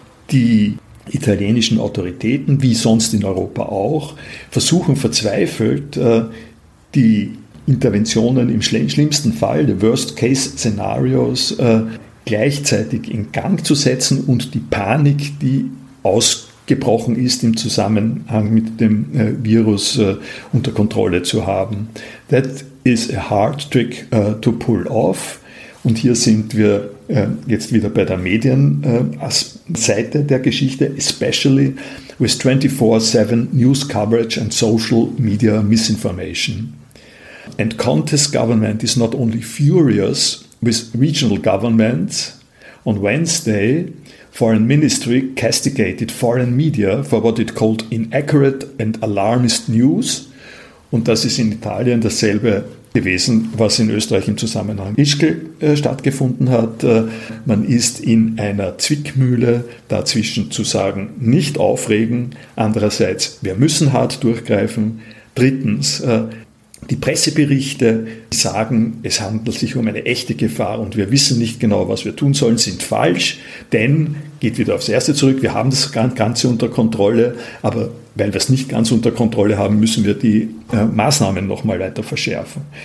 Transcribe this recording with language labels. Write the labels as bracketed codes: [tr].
[de] Die italienischen Autoritäten, wie sonst in Europa auch, versuchen verzweifelt, die Interventionen im schlimmsten Fall, die Worst-Case-Szenarios, gleichzeitig in Gang zu setzen und die Panik, die ausgebrochen ist im Zusammenhang mit dem Virus, unter Kontrolle zu haben. [en] That is a hard trick to pull off. [de] Und hier sind wir jetzt wieder bei der Medienseite der Geschichte, [en] especially with 24/7 news coverage and social media misinformation. And Conte's government is not only furious with regional governments. On Wednesday, Foreign Ministry castigated foreign media for what it called inaccurate and alarmist news. [de] Und das ist in Italien dasselbe gewesen, was in Österreich im Zusammenhang mit Ischgl stattgefunden hat. Man ist in einer Zwickmühle dazwischen zu sagen, nicht aufregen. Andererseits, wir müssen hart durchgreifen. Drittens, die Presseberichte sagen, es handelt sich um eine echte Gefahr und wir wissen nicht genau, was wir tun sollen, sind falsch, denn, geht wieder aufs Erste zurück, wir haben das Ganze unter Kontrolle, aber weil wir es nicht ganz unter Kontrolle haben, müssen wir die Maßnahmen nochmal weiter verschärfen.